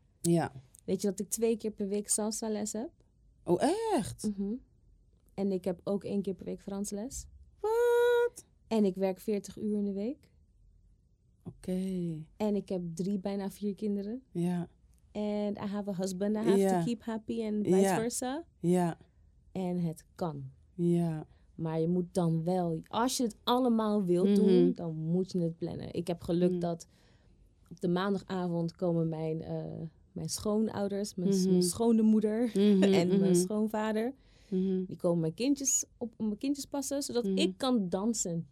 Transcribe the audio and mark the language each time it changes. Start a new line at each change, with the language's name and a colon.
Dutch: Ja. Weet je dat ik 2 keer per week salsa les heb? Oh, echt? Mm-hmm. En ik heb ook 1 keer per week Frans les. Wat? En ik werk 40 uur in de week. Oké.
English: Okay.
Dutch: En ik heb 3, bijna 4 kinderen. Ja.
English: And I have a husband. I have to keep happy and vice versa.
Dutch: Ja. En het kan. Ja. Maar je moet dan wel... Als je het allemaal wilt doen, dan moet je het plannen. Ik heb geluk dat op de maandagavond komen mijn schoonouders, mijn schone moeder en mijn schoonvader. Mm-hmm. Die komen mijn kindjes passen, zodat ik kan dansen.